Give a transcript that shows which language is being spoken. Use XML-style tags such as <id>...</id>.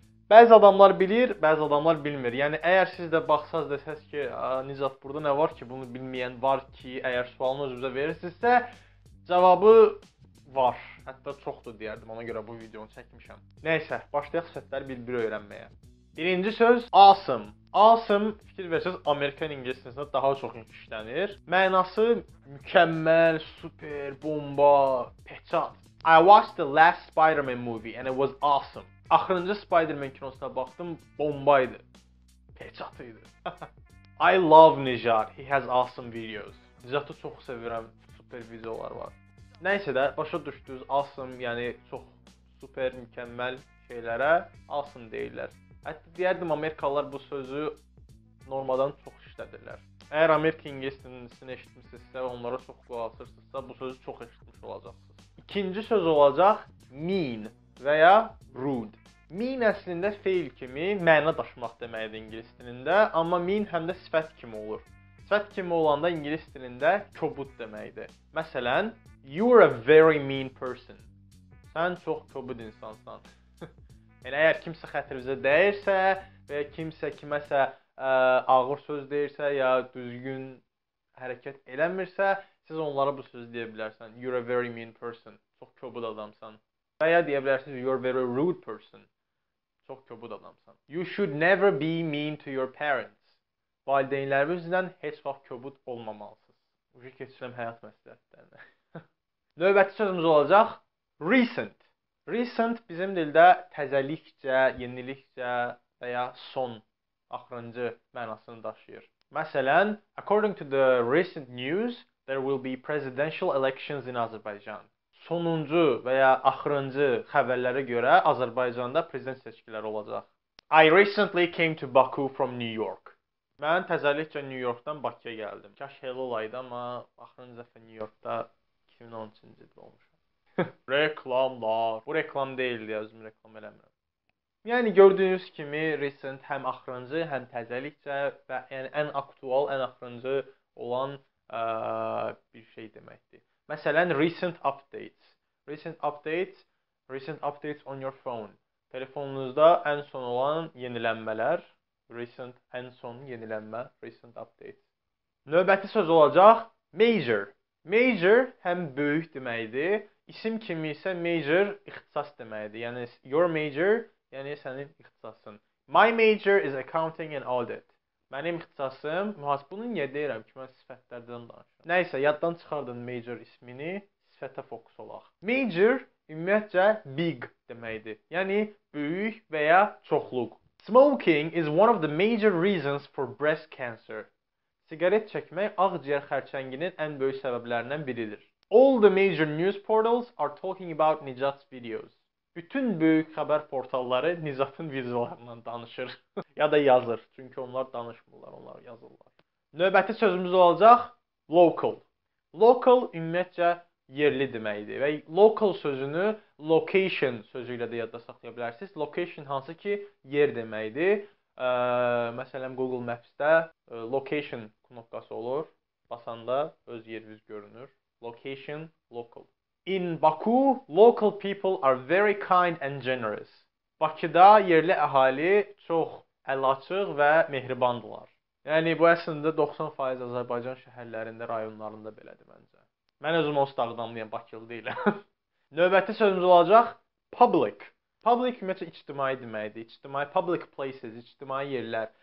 <az>Bəzi adamlar bilir, bəzi adamlar bilmir. Yəni, əgər siz də baxsanız, desəz ki, Nizat burada nə var ki, bunu bilməyən var ki, əgər sualını özünüzə verirsinizsə, cavabı var. Hətta çoxdur deyərdim, ona görə bu videonu çəkmişəm. Nəysə, başlayaq sifətləri bir-bir öyrənməyə. Birinci söz, awesome. Awesome, fikir versəz, Amerikan İngilisində daha çox işlənir. Mənası, mükəmməl, super, bomba, peçat.</az> <en>I watched the last Spider-Man movie and it was awesome.</en> <az>Axırıncı Spider-Man kinosuna baxdım, bombaydı. Peçat idi.</az> <en>I love Nijar, he has awesome videos.</en> <az>Nijatı çox sevirəm, super videolar var. Nəysə də, başa düşdüyüz, awesome, yəni çox super, mükəmməl şeylərə awesome deyirlər. Hətta deyərdim, Amerikalılar bu sözü normadan çox işlədirlər. Əgər Amerika İngilisini eşitmişsinizsə, onlara çox qulaq asırsınızsa, bu sözü çox eşitmiş olacaqsınız. İkinci söz olacaq, mean və ya rude. Mean əslində fail kimi məna daşımaq deməkdir İngilis dilində, amma mean həm də sifət kimi olur. Sifət kimi olanda İngilis dilində kobud deməkdir. Məsələn,</az> <en>you are a very mean person.</en> <az>Sən çox kobud insansan. Elə əgər kimsə xətrinizə dəyirsə və ya kimsə kiməsə ağır söz deyirsə ya düzgün hərəkət eləmirsə, siz onlara bu sözü deyə bilərsən.</az> <en>You are a very mean person.</en> <az>Çox kobud adamsan. Və ya deyə bilərsiniz,</az> <en>you are a very rude person.</en> <az>Çox kobud adamsan.</az> <en>You should never be mean to your parents.</en> <az>Valideynlərinizdən heç vaxt kobud olmamalısınız. Bu şey keçirəm həyat məsləhətlərinə. Növbəti sözümüz olacaq, recent. Recent bizim dildə təzəlikcə, yenilikcə və ya son, axırıncı mənasını daşıyır.</az> <en>Məsələn, according to the recent news, there will be presidential elections in Azerbaijan.</en> <az>Sonuncu və ya axırıncı xəbərlərə görə Azərbaycanda prezident seçkiləri olacaq.</az> <en>I recently came to Baku from New York.</en> <az>Mən təzəlikcə New Yorkdan Bakıya gəldim. Kaş helə olaydı, amma axırıncı dəfə New Yorkda 2013-cü ildə olmuşam. Reklamlar. Bu reklam deyildi, özüm reklam eləmirəm. Yəni, gördüyünüz kimi, recent həm axırıncı, həm təzəlikcə və yəni, ən aktual, ən axırıncı olan bir şey deməkdir.</az> <en>Məsələn, recent updates. Recent updates, recent updates on your phone.</en> <az>Telefonunuzda ən son olan yenilənmələr. Recent, ən son yenilənmə, recent updates. Növbəti söz olacaq, major. Major həm böyük deməkdir, isim kimi isə major ixtisas deməkdir. Yəni, your major, yəni sənin ixtisasın.</az> <en>My major is accounting and audit.</en> <az>Mənim ixtisasım, mühasibunu niyə deyirəm ki, mən sifətlərdən danışam. Nəysə, yaddan çıxardın major ismini, sifətə fokus olaq. Major, ümumiyyətcə, big deməkdir. Yəni, böyük və ya çoxluq.</az> <en>Smoking is one of the major reasons for breast cancer.</en> <az>Sigaret çəkmək ağciyər xərçənginin ən böyük səbəblərindən biridir.</az> <en>All the major news portals are talking about Nijat's videos.</en> <az>Bütün böyük xəbər portalları Nijat'ın videolarından danışır. ya da yazır. Çünki onlar danışmırlar, onlar yazırlar. Növbəti sözümüz olacaq local. Local ümumiyyətcə yerli deməkdir. Və local sözünü location sözü ilə də yadda saxlaya bilərsiniz. Location hansı ki yer deməkdir. Məsələn, Google Maps-də location noqtası olur. Basanda öz yeriniz görünür. Location, local.</az> <en>In Baku, local people are very kind and generous.</en> <az>Bakıda yerli əhali çox əlaçıq və mehribandılar. Yəni, bu əslində 90% Azərbaycan şəhərlərində, rayonlarında belədir məncə. Mən özüm olsun dağdamlıyam, Bakılı deyiləm. Növbəti sözümüz olacaq, public. Public ümumiyyətcə ictimai deməkdir. İctimai, public places, ictimai yerlər.</az>